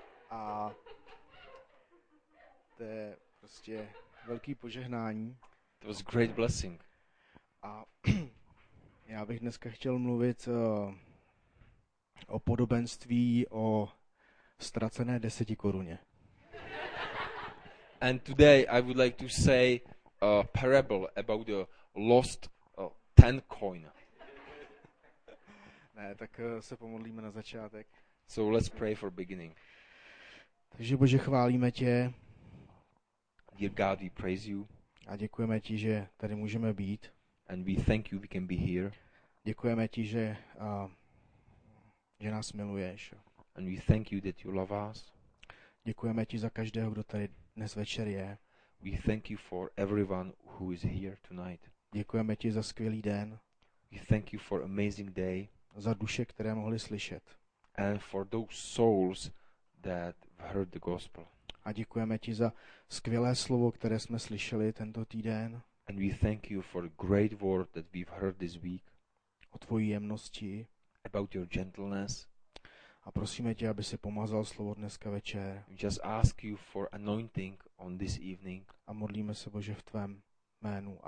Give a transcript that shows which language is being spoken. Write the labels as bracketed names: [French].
[Czech] A to je prostě velký požehnání. [English] It was great blessing. [Czech] A já bych dneska chtěl mluvit o podobenství o ztracené 10 koruně. [English] And today I would like to say a parable about the lost 10 coin. [Czech] Ne, tak se pomodlíme na začátek. [English] So let's pray for beginning. [Czech] Takže Bože, chválíme tě. [English] Dear God, we praise you. [Czech] A děkujeme ti, že tady můžeme být. [English] And we thank you, we can be here. [Czech] Děkujeme ti, že nás miluješ. [English] And we thank you that you love us. [Czech] Děkujeme ti za každého, kdo tady dnes večer je. [English] We thank you for everyone who is here tonight. [Czech] Děkujeme ti za skvělý den. [English] We thank you for amazing day. [Czech] Za duše, které mohli slyšet. [English] And for those souls that heard the gospel. [Czech] A děkujeme ti za skvělé slovo, které jsme slyšeli tento týden. [English] And we thank you for the great word that we've heard this week. [Czech] O tvojí jemnosti. [English] About your gentleness. [Czech] A prosíme tě, aby si pomazal slovo dneska večer. [English] Just ask you for anointing on this evening. [Czech] A modlíme se, Bože, v tvém jménu.